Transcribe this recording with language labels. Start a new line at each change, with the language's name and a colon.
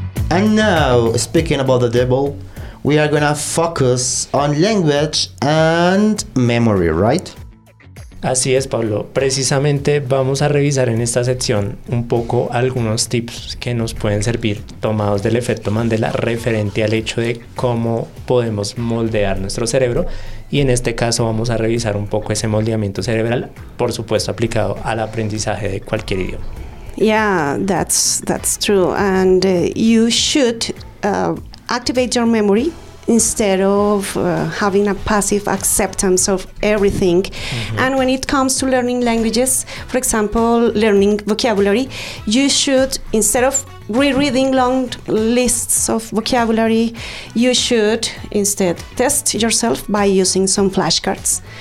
English: And now, speaking about the devil, we are gonna focus on language and memory, right?
Spanish: Así es, Pablo. Precisamente vamos a revisar en esta sección un poco algunos tips que nos pueden servir tomados del efecto Mandela referente al hecho de cómo podemos moldear nuestro cerebro. Y en este caso vamos a revisar un poco ese moldeamiento cerebral, por supuesto aplicado al aprendizaje de cualquier idioma.
English: Yeah, that's true. And you should activate your memory instead of having a passive acceptance of everything. Mm-hmm. And when it comes to learning languages, for example, learning vocabulary, you should, instead of rereading long lists of vocabulary, you should instead test yourself by using some flashcards.